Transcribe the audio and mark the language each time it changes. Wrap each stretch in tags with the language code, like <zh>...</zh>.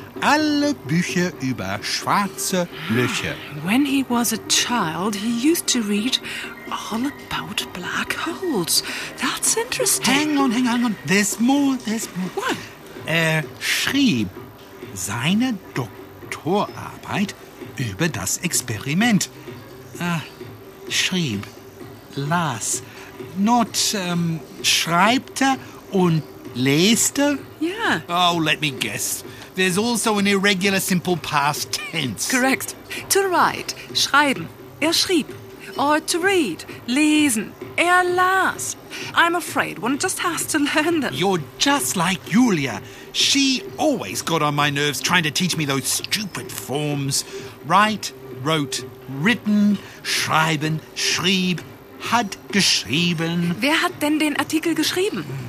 <de>alle Bücher über schwarze Löcher.</de> <en>When he was a child, he used to read all about black holes. That's interesting. Hang on. There's more. What?</en> <de>Er schrieb seine Doktorarbeit über das Experiment. Schrieb, las, not schreibte und leste?</de> <en>Yeah. Oh, let me guess. There's also an irregular simple past tense. Correct. To write,</en> <de>schreiben, er schrieb.</de> <en>Or to read,</en> <de>lesen, er las.</de> <en>I'm afraid one just has to learn them. You're just like Julia. She always got on my nerves trying to teach me those stupid forms. Write, wrote, written,</en> <de>schreiben, schrieb, hat geschrieben. Wer hat denn den Artikel geschrieben?</de>